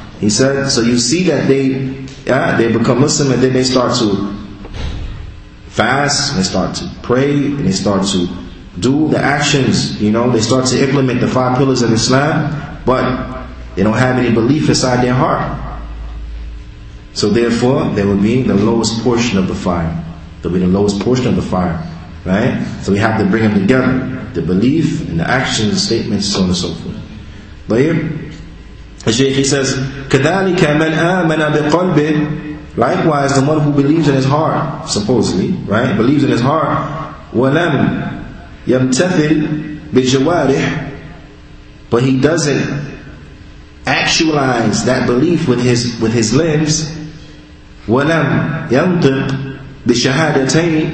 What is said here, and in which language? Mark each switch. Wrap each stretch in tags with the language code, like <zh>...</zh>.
<en>He said, so you see that they become Muslim and then they start to fast, and they start to pray, and they start to do the actions, you know, they start to implement the five pillars of Islam, but they don't have any belief inside their heart. So therefore, they will be the lowest portion of the fire. They'll be the lowest portion of the fire, right? So we have to bring them together, the belief and the actions and statements, so on and so forth.</en> <ar>طيب. الشيخ</ar> <en>says,</en> <ar>كذلك من آمن بقلبه.</ar> <en>Likewise, the one who believes in his heart, supposedly, right? Believes in his heart.</en> <ar>ولم يمتثل بجوارح.</ar> <en>But he doesn't actualize that belief with his limbs.</en> <ar>ولم ينطق بشهادتين.</ar>